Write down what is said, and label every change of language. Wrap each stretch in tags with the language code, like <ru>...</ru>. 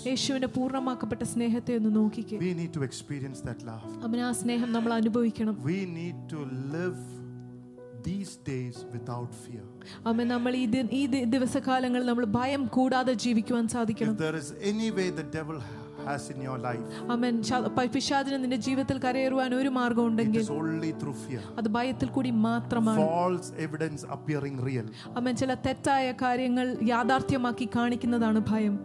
<ml>യേശുവിനെ പൂർണ്ണമാക്കപ്പെട്ട സ്നേഹത്തെ ഒന്ന് നോക്കിക്കേ.</ml> <en>We need to experience that love.</en> <ml>അവനെ ആ സ്നേഹം നമ്മൾ അനുഭവിക്കണം.</ml> <en>We need to live these days without fear.</en> <ml>അമേ നമ്മൾ ഈ ദിവസകാലങ്ങളിൽ നമ്മൾ ഭയം കൂടാതെ ജീവിക്കാൻ സാധിക്കണം.</ml> <en>If there is any way the devil has in your life,</en> <ml>അമേ പിശാചിനെ നിന്റെ ജീവിതത്തിൽ കരയേറുവാൻ ഒരു മാർഗ്ഗം ഉണ്ടെങ്കിൽ,</ml> <en>it is only through fear.</en> <ml>അത് ഭയത്തിൽ കൂടി മാത്രമാണ്.</ml> <en>False evidence appearing real.</en> <ml>അമേ ചില തെറ്റായ കാര്യങ്ങൾ യാഥാർത്ഥ്യമാക്കി കാണിക്കുന്നതാണ് ഭയം.</ml>